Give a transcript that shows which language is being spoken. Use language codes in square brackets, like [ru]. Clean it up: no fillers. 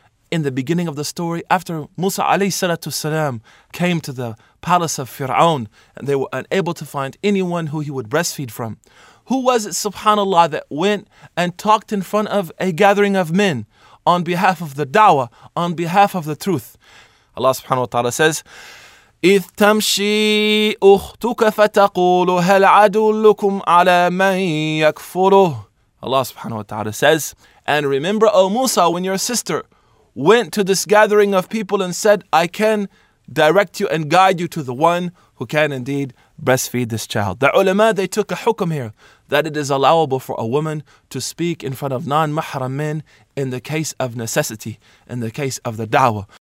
[en] In the beginning of the story, after Musa alayhi salatu salam came to the palace of Fir'aun, and they were unable to find anyone who he would breastfeed from, who was it, subhanAllah, that went and talked in front of a gathering of men on behalf of the da'wah, on behalf of the truth? [ar] Allah subhanahu wa ta'ala says, إِذْ تَمْشِي أُخْتُكَ فَتَقُولُ هَلْ عَدُلُّكُمْ عَلَى مَنْ يَكْفُرُهُ. [en] Allah subhanahu wa ta'ala says, and remember, O Musa, when your sister went to this gathering of people and said, I can direct you and guide you to the one who can indeed breastfeed this child. The ulama, they took a hukum here that it is allowable for a woman to speak in front of non-mahram men in the case of necessity, in the case of the da'wah.